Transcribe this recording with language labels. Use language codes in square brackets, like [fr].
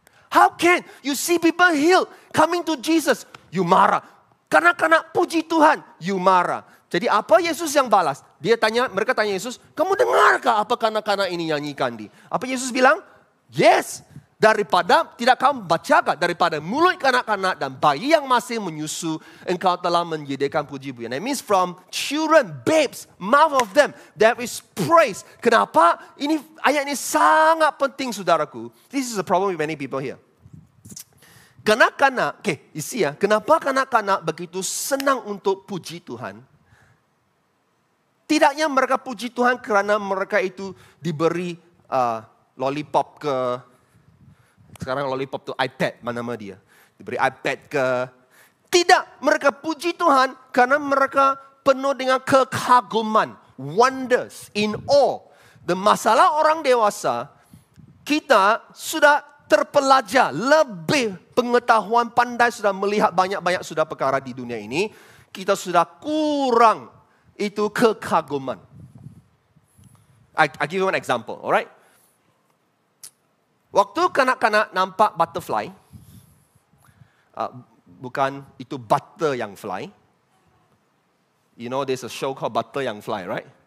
[en] How can you see people healed coming to Jesus? [ms] You marah. Kanak-kanak puji Tuhan, you marah. Jadi apa Yesus yang balas? Dia tanya, mereka tanya Yesus, kamu dengarkah apa kanak-kanak ini nyanyikan di? Apa Yesus bilang? [en] Yes. [ms] Daripada, tidak kamu bacakan, daripada mulut kanak-kanak dan bayi yang masih menyusu, engkau telah menyediakan puji-pujian. [en] That means from children, babes, mouth of them, there is praise. [ms] Kenapa? Ini ayat ini sangat penting, saudaraku. [en] This is a problem with many people here. [ms] Kanak-kanak, okay, isi ya. Kenapa kanak-kanak begitu senang untuk puji Tuhan? Tidaknya mereka puji Tuhan kerana mereka itu diberi lollipop ke... Sekarang lollipop tu iPad, mana nama dia. Diberi iPad ke, Tidak, mereka puji Tuhan karena mereka penuh dengan kekaguman. [en] Wonders, in awe. [ms] The masalah orang dewasa, kita sudah terpelajar, lebih pengetahuan pandai, sudah melihat banyak-banyak sudah perkara di dunia ini. Kita sudah kurang itu kekaguman. [en] I give you an example, alright? [ms] Waktu kanak-kanak nampak [en] butterfly, bukan itu butter yang fly. You know there's a show called Butter Yang Fly, right?